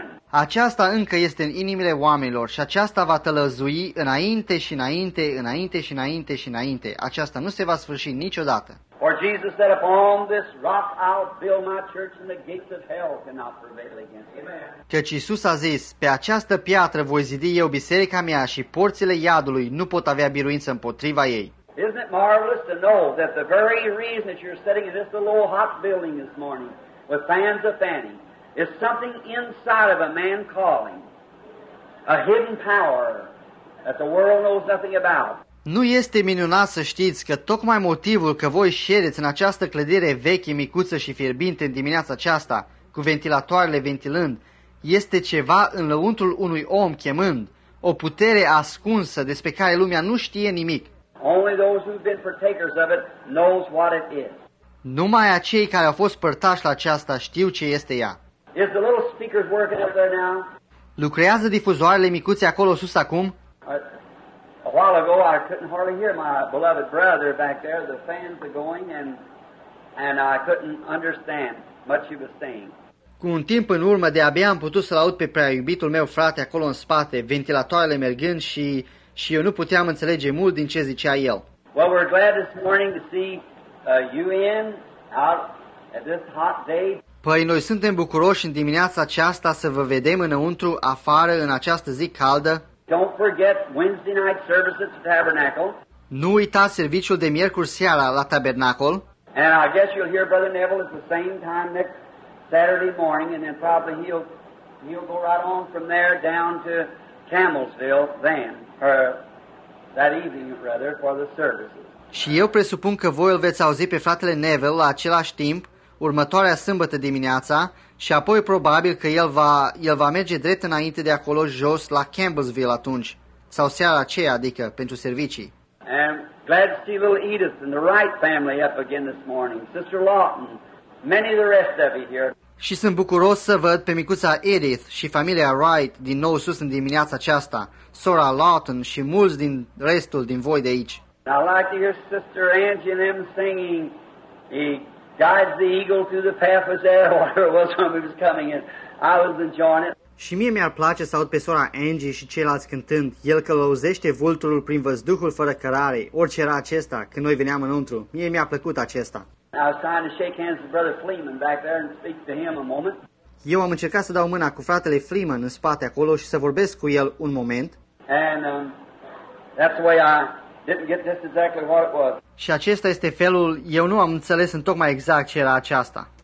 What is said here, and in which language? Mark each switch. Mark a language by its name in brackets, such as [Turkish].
[Romanian] Aceasta încă este în inimile oamenilor și aceasta va tălăzui înainte și înainte, înainte și înainte și înainte. Aceasta nu se va sfârși niciodată. [English] For Jesus said, upon this rock I'll build my church and the gates of hell cannot prevail against it. [Romanian] Căci Iisus a zis, pe această piatră voi zidi eu biserica mea și porțile iadului nu pot avea biruință împotriva ei. [English] Isn't it marvelous to know that the very reason that you're sitting in this little hot building this morning with fans of fanning is something inside of a man calling, a hidden power that the world knows nothing about. [Romanian] Nu este minunat să știți că tocmai motivul că voi ședeți în această clădire veche, micuță și fierbinte în dimineața aceasta, cu ventilatoarele ventilând, este ceva în lăuntrul unui om chemând, o putere ascunsă despre care lumea nu știe nimic. [English] Only those who've been partakers of it knows what it is. [Romanian] Numai acei care au fost părtași la aceasta știu ce este ea. [English] Is the little speakers working up there now? [Romanian] Lucrează difuzoarele micuțe acolo sus acum? [English] A while ago I couldn't hardly hear my beloved brother back there, the fans are going and I couldn't understand much he was saying. [Romanian] Cu un timp în urmă de abia am putut să-l aud pe prea iubitul meu frate acolo în spate, ventilatoarele mergând și eu nu puteam înțelege mult din ce zicea el. [English] Well, we're glad this morning to see UN out at this hot day. [Romanian] Păi noi suntem bucuroși în dimineața aceasta să vă vedem înăuntru, afară, în această zi caldă. [English] Don't forget Wednesday night service at the Tabernacle. [Romanian] Nu uitați serviciul de miercuri seara la Tabernacle. [English] And I guess you'll hear Brother Neville at the same time next Saturday morning, and then probably he'll go right on from there down to Camelsville then, or that evening rather, for the services. [Romanian] Și eu presupun că voi îl veți auzi pe fratele Neville la același timp, următoarea sâmbătă dimineața, și apoi probabil că el va merge drept înainte de acolo jos la Campbellsville atunci, sau seara aceea, adică, pentru servicii. [English] And glad to see little Edith and the Wright family up again this morning, Sister Lawton, many of the rest of you here. [Romanian] Și sunt bucuros să văd pe micuța Edith și familia Wright din nou sus în dimineața aceasta, sora Lawton și mulți din restul din voi de aici. [English] I like to hear Sister Angie and them singing, Guides the eagle through the path of death, whatever it was when he was coming in. I was enjoying it. [Romanian] Și mie mi-ar place să aud pe sora Angie și ceilalți cântând, El călăuzește vulturul prin văzduhul fără cărare, orice era acesta, când noi veneam înăuntru. Mie mi-a plăcut acesta. [English] I was trying to shake hands with Brother Fleeman back there and speak to him a moment. [Romanian] Eu am încercat să dau mâna cu fratele Fleeman în spate acolo și să vorbesc cu el un moment. [English] And that's the way I didn't get just exactly what it was. [Romanian] Și acesta este felul, eu nu am înțeles în tocmai exact ce era aceasta.